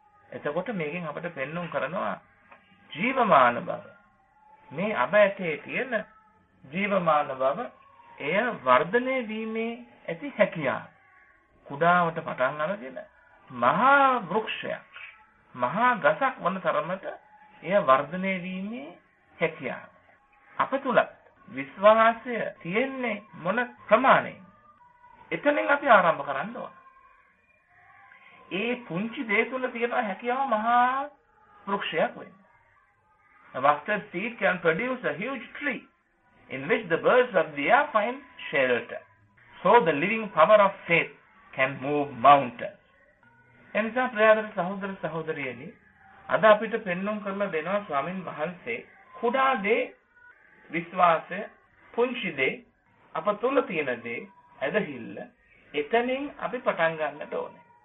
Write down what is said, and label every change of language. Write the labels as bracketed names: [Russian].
[Sinhala] එතකොට මේකෙන් අපිට පෙන්නුම් කරනවා ජීවමාන බව මේ අබ ඇටේ තියෙන ජීවමාන බව එය වර්ධනය වීමේ ඇති හැකියාව කුඩාවට පටන් අරගෙන මහා වෘක්ෂයක් මහා ගසක් වන තරමට එය වර්ධනය වීමේ හැකියාව අප තුල විශ්වාසය තියෙන්නේ මොන ප්‍රමාණය එතනින් අපි ආරම්භ කරන්න ඕන ඒ පුංචි දේ තුල තියෙන හැකියාව මහා වෘක්ෂයක් වෙන්න [English] A mustard seed can produce a huge tree in which the birds of the air find shelter. So the living power of faith can move mountains. [Sinhala] එනිසා ප්‍රියදර සහෝදර සහෝදරියනි අද අපිට පෙන්වන්න කරලා දෙනවා ස්වාමින් වහන්සේ කුඩා දේ විශ්වාසය පුංචි දේ අප තුල තියෙන දේ ඇදහිල්ල එතනින් අපි පටන් ගන්නට ඕනේ.